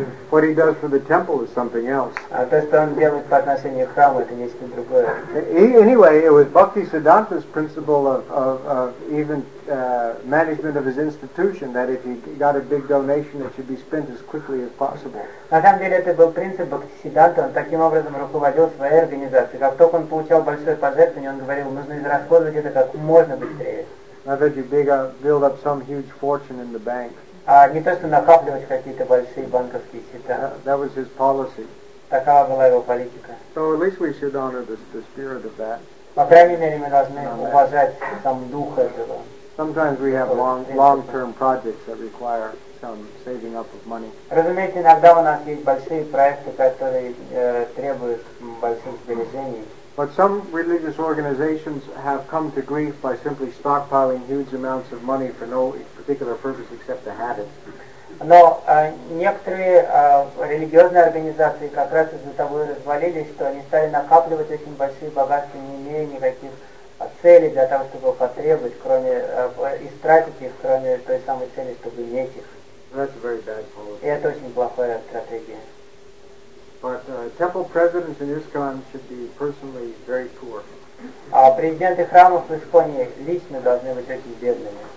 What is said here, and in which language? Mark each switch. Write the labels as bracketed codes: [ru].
[en] What he does for the temple is something else. [ru] А то, что он делает по отношению к храму, это нечто другое. [en] Anyway, it was Bhaktisiddhanta's principle of even management of his institution that if he got a big donation, it should be spent as quickly as possible. [ru] На самом деле, это был принцип Бхактисиддханта. Он таким образом руководил своей организацией. Как только он получал большое пожертвование, он говорил, нужно израсходовать это как можно быстрее. [en] Not that you build up some huge fortune in the bank. [ru] А не то, что накапливать какие-то большие банковские счета. [en] That was his policy. [ru] Такова была его политика. [en] So at least we should honor the spirit of that. [ru] По крайней мере, мы должны уважать сам дух этого. [en] Sometimes we have long-term projects that require some saving up of money. [ru] Разумеется, иногда у нас есть большие проекты, которые требуют больших сбережений. [en] But some religious organizations have come to grief by simply stockpiling huge amounts of money for no particular purpose except to have it. [ru] Но некоторые религиозные организации как раз из-за того и развалились, что они стали накапливать очень большие богатства, не имея никаких целей для того, чтобы потребовать, кроме истратить их, кроме той самой цели, чтобы иметь их. [en] That's a very bad policy. [ru] И это очень плохая стратегия. [en] But temple presidents in ISKCON should be personally very poor. [ru] А президенты храмов в Исконе лично должны быть очень бедными.